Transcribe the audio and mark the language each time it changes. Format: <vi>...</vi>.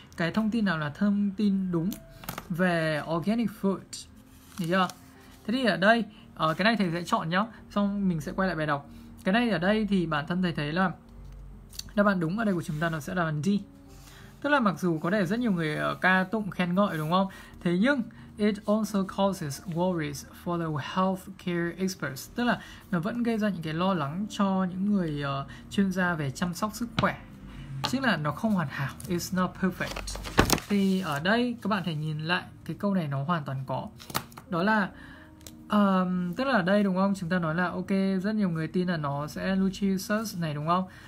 <vi>Cái thông tin nào là thông tin đúng về organic food? Được chưa? Thế thì ở đây, cái này thầy sẽ chọn nhá, xong mình sẽ quay lại bài đọc. Cái này ở đây thì bản thân thầy thấy là đáp án đúng ở đây của chúng ta nó sẽ là D. Tức là mặc dù có thể rất nhiều người ca tụng khen ngợi đúng không? Thế nhưng</vi> <en>it also causes worries for the healthcare experts.</en> <vi>Tức là nó vẫn gây ra những cái lo lắng cho những người chuyên gia về chăm sóc sức khỏe. Chính là nó không hoàn hảo,</vi> <en>it's not perfect.</en> <vi>Thì ở đây các bạn thể nhìn lại cái câu này nó hoàn toàn có. Đó là tức là ở đây đúng không? Chúng ta nói là ok, rất nhiều người tin là nó sẽ nutritious này đúng không?</vi>